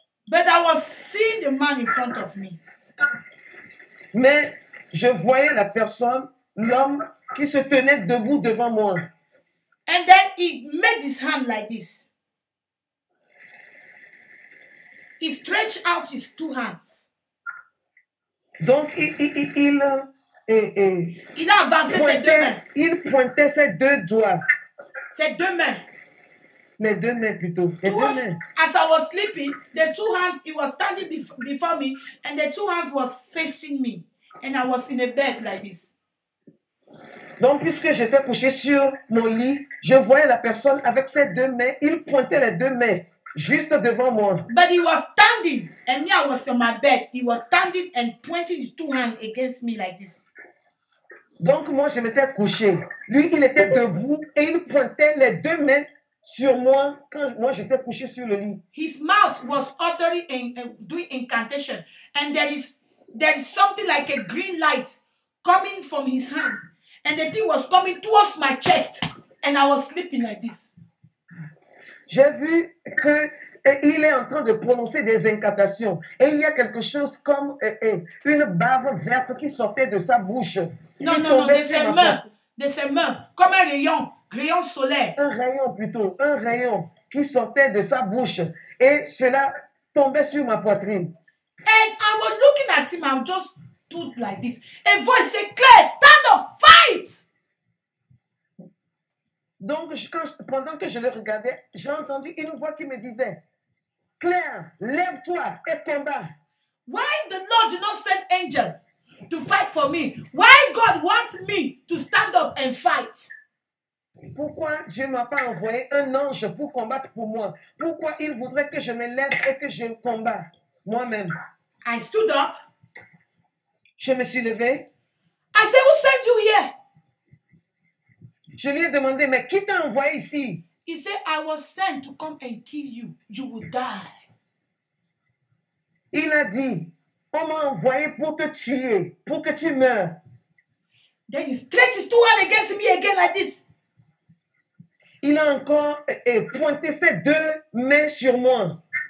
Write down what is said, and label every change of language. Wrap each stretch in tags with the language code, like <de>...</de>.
<en>But I was seeing the man in front of me.</en> <fr>Mais je voyais la personne, l'homme qui se tenait debout devant moi.</fr> <en>And then he made his hand like this. He stretched out his two hands.</en> <fr>Donc, Il a avancé ses deux mains. Il pointait ses deux doigts. Ses deux mains. Les deux mains plutôt. Les deux mains.</fr> <en>As I was sleeping, the two hands, he was standing before me, and the two hands was facing me. And I was in a bed like this.</en> <fr>Donc, puisque j'étais couché sur mon lit, je voyais la personne avec ses deux mains. Il pointait les deux mains juste devant moi.</fr> <en>But he was standing, and me, I was on my bed. He was standing and pointing his two hands against me like this.</en> <fr>Donc, moi, je m'étais couché. Lui, il était debout et il pointait les deux mains sur moi quand moi j'étais couché sur le lit.</fr> <en>His mouth was uttering and doing incantation, and there is something like a green light coming from his hand. And the thing was coming towards my chest, and I was sleeping like this.</en> <fr>J'ai vu que il est en train de prononcer des incantations, et il y a quelque chose comme une bave verte qui sortait de sa bouche. Non, de ses mains, comme un rayon solaire. Un rayon qui sortait de sa bouche, et cela tombait sur ma poitrine.</fr> <en>And I was looking at him, I'm just stood like this. A voice said, Claire, stand up, fight!</en> <fr>Donc, pendant que je le regardais, j'ai entendu une voix qui me disait, Claire, lève-toi et combat.</fr> <en>Why the Lord did not send angel to fight for me? Why God wants me to stand up and fight?</en> <fr>Pourquoi Dieu ne m'a pas envoyé un ange pour combattre pour moi? Pourquoi il voudrait que je me lève et que je combatte moi-même?</fr> <en>I stood up.</en> <fr>Je me suis levé.</fr> <en>I said, who sent you here?</en> <fr>Je lui ai demandé, mais qui t'a envoyé ici?</fr> <en>He said, I was sent to come and kill you. You will die.</en> <fr>Il a dit, on m'a envoyé pour te tuer, pour que tu meurs.</fr> <en>Then he stretched his two hands against me again like this.</en> <fr>Il a encore pointé ses deux mains sur moi.</fr>